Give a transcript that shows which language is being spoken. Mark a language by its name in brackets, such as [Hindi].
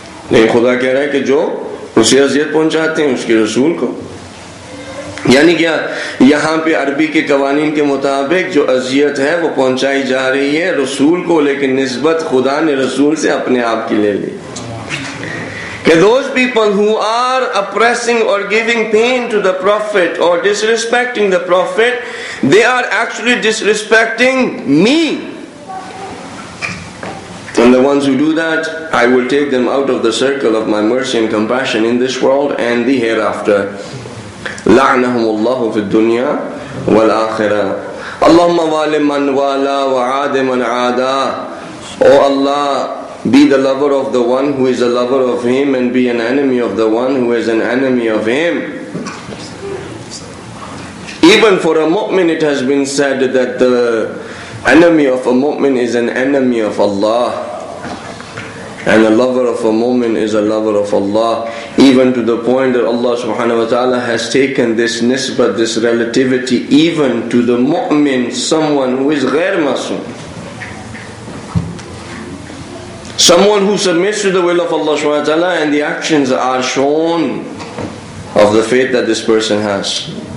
[Urdu] نہیں, خدا کہہ رہا ہے کہ جو اسے اذیت پہنچاتے ہیں اس کے رسول کو. یعنی کیا, یہاں پہ عربی کے قوانین کے مطابق جو اذیت ہے وہ پہنچائی جا رہی ہے رسول کو, لیکن نسبت خدا نے رسول سے اپنے آپ کی لے لی. کہ [English] those people who are oppressing or giving pain to the prophet or disrespecting the prophet, they are actually disrespecting me. And the ones who do that, I will take them out of the circle of my mercy and compassion in this world and the hereafter. [Arabic] لعنهم الله في الدنيا والآخرة. اللهم وال من والا وعاد من عادا. [English] O Allah, be the lover of the one who is a lover of him and be an enemy of the one who is an enemy of him. Even for a mu'min it has been said that the enemy of a mu'min is an enemy of Allah, and a lover of a mu'min is a lover of Allah, even to the point that Allah subhanahu wa ta'ala has taken this nisbat, this relativity, even to the mu'min, someone who is ghair masum, someone who submits to the will of Allah subhanahu wa ta'ala, and the actions are shown of the faith that this person has.